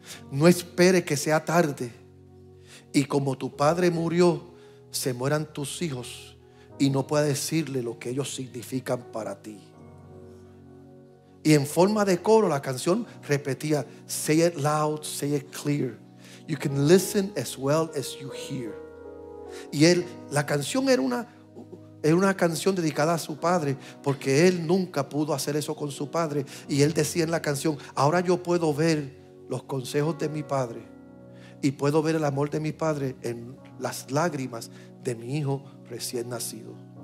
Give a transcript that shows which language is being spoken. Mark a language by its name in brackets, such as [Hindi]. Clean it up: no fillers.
[Spanish] No espere que sea tarde. Y como tu padre murió, se mueran tus hijos y no pueda decirle lo que ellos significan para ti. Y en forma de coro la canción repetía, [English] say it loud, say it clear. You can listen as well as you hear. [Spanish] Y la canción era una canción dedicada a su padre, porque él nunca pudo hacer eso con su padre. Y él decía en la canción, ahora yo puedo ver los consejos de mi padre y puedo ver el amor de mi padre en las lágrimas de mi hijo recién nacido.